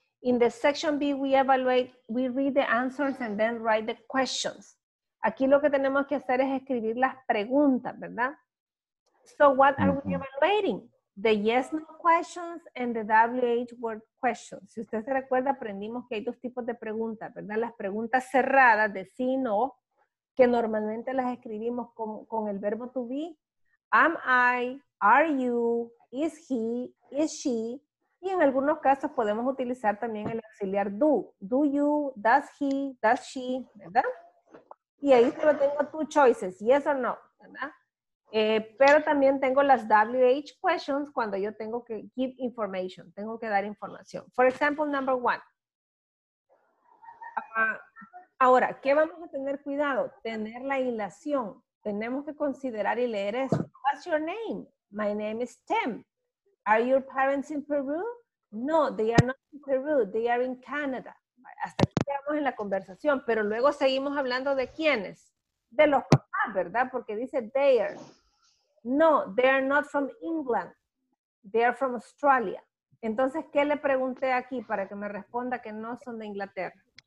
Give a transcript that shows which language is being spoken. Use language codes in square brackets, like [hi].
[en] In the section B, we read the answers and then write the questions. [es] Aquí lo que tenemos que hacer es escribir las preguntas, ¿verdad? [en] So what are we evaluating? The yes, no questions and the WH word questions. [es] Si usted se recuerda, aprendimos que hay dos tipos de preguntas, ¿verdad? Las preguntas cerradas de sí y no, que normalmente las escribimos con el verbo to be. [en] Am I, are you, is he, is she. [es] Y en algunos casos podemos utilizar también el auxiliar do. [en] Do you, does he, does she, [es] ¿verdad? Y ahí solo tengo [en] two choices, yes or no, [es] ¿verdad? Pero también tengo las WH questions cuando yo tengo que [en] give information, [es] tengo que dar información. [en] For example, number one. [es] Ahora, ¿qué vamos a tener cuidado? Tener la hilación. Tenemos que considerar y leer eso. [en] What's your name? My name is Tim. Are your parents in Peru? No, they are not in Peru, they are in Canada. [es] Hasta aquí quedamos en la conversación, pero luego seguimos hablando de quiénes. De los papás, ¿verdad? Porque dice [en] they are. No, they are not from England. They are from Australia. [es] Entonces, ¿qué le pregunté aquí para que me responda que no son de Inglaterra?